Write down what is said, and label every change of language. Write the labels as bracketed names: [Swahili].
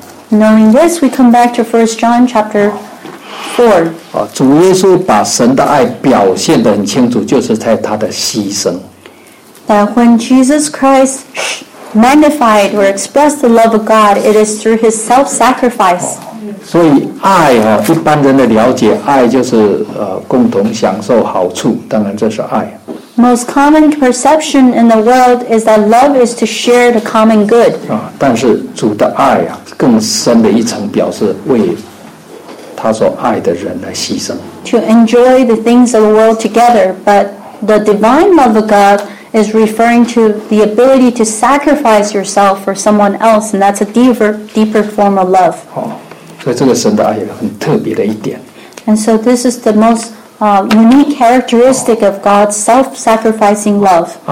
[English] Knowing this, we come back to 1 John chapter 4. [Chinese] 主耶稣把神的爱表现得很清楚, 就是在他的牺牲。 [English] That when Jesus Christ magnified or expressed the love of God, it is through his self-sacrifice. [Chinese] 所以爱, 一般人的了解, 爱就是, 共同享受好处, 当然这是爱。 [English] Most common perception in the world is that love is to share the common good. [Chinese] 但是主的爱啊, 更深的一层表示为他所爱的人来牺牲。 [English] To enjoy the things of the world together, but the divine love of God is referring to the ability to sacrifice yourself for someone else, and that's a deeper form of love. [Chinese] 所以这个神的爱很特别的一点。 [English] And so this is the most unique characteristic of God's self-sacrificing love.